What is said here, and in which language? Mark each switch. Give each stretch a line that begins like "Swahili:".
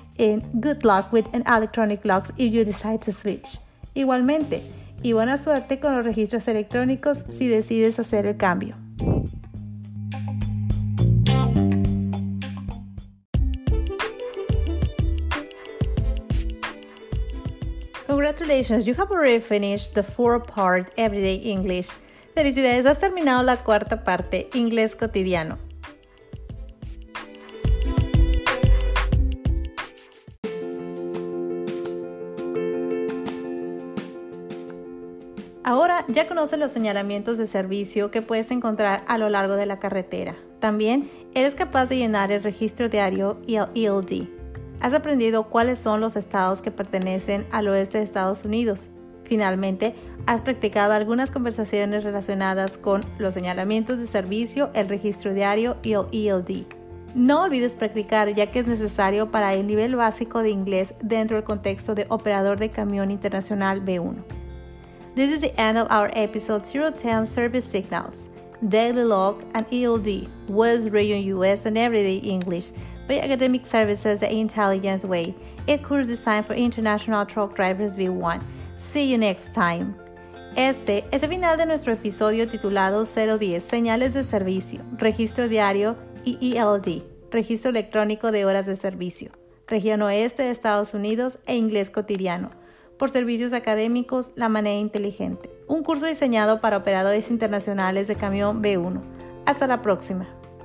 English: And good luck with an electronic lock if you decide to switch.
Spanish: Igualmente. Y buena suerte con los registros electrónicos si decides hacer el cambio.
English: Congratulations, you have already finished the four-part Everyday English.
Spanish: Felicidades, has terminado la cuarta parte, Inglés cotidiano. Ahora ya conoces los señalamientos de servicio que puedes encontrar a lo largo de la carretera. También eres capaz de llenar el registro diario y el ELD. Has aprendido cuáles son los estados que pertenecen al oeste de Estados Unidos. Finalmente, has practicado algunas conversaciones relacionadas con los señalamientos de servicio, el registro diario y el ELD. No olvides practicar ya que es necesario para el nivel básico de inglés dentro del contexto de operador de camión internacional B1.
English: This is the end of our episode 010 Service Signals, Daily Log and ELD, West Region US and Everyday English, by Academic Services the Intelligent Way, a course designed for International Truck Drivers B1. See you next time.
Spanish: Este es el final de nuestro episodio titulado 010, Señales de Servicio, Registro Diario y ELD, Registro Electrónico de Horas de Servicio, Región Oeste de Estados Unidos e Inglés Cotidiano. por servicios académicos La Manera Inteligente, un curso diseñado para operadores internacionales de camión B1. Hasta la próxima.